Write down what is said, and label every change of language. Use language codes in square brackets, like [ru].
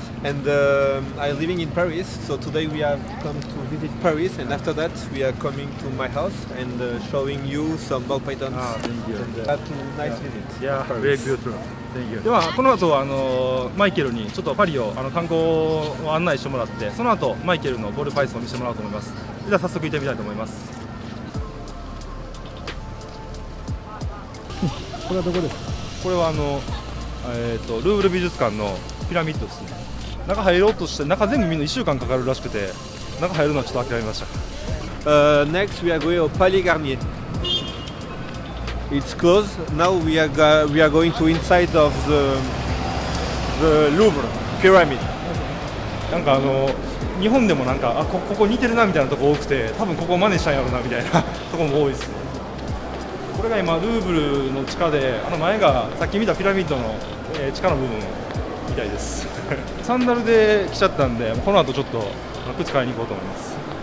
[en] And I'm living in Paris, so today we have come to visit Paris, and after that we are coming to my house and showing you some ball pythons. Ah, thank you. That's a nice visit. Yeah, very beautiful. Thank you. [ja] ではこの後はマイケルにちょっとパリを観光を案内してもらって、その後マイケルのボールパイソンを見せてもらおうと思います。では早速行ってみたいと思います。これはどこですか？これはルーブル美術館のピラミッドですね。中入ろうとして中全部見るの1週間かかるらしくて中入るのはちょっと諦めました。 [en] Next we are going to Palais Garnier. It's closed. Now we are going to inside of the Louvre pyramid. [ja] なんか日本でもなんかここ似てるなみたいなとこ多くて多分ここ真似したんやろなみたいなとこも多いです。これが今ルーブルの地下で前がさっき見たピラミッドの、地下の部分。みたいです。サンダルで来ちゃったんで、この後ちょっと靴買いに行こうと思います。